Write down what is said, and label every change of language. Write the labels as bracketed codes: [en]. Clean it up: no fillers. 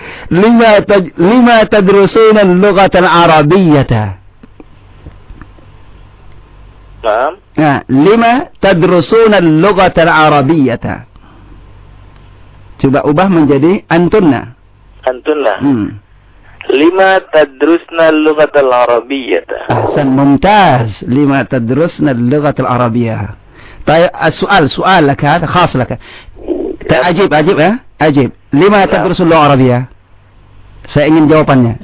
[ar] لما تدرسون اللغة العربية؟ نعم. لما تدرسون اللغة العربية؟ [id] coba ubah menjadi [ar] antunna. Antunna. لما تدرسنا اللغة العربية؟ أحسن ممتاز. لما تدرسنا اللغة العربية؟ طيب سؤال لك هذا خاص لك. أجيب. لما تدرس اللغة العربية؟ سأعين جوابنا.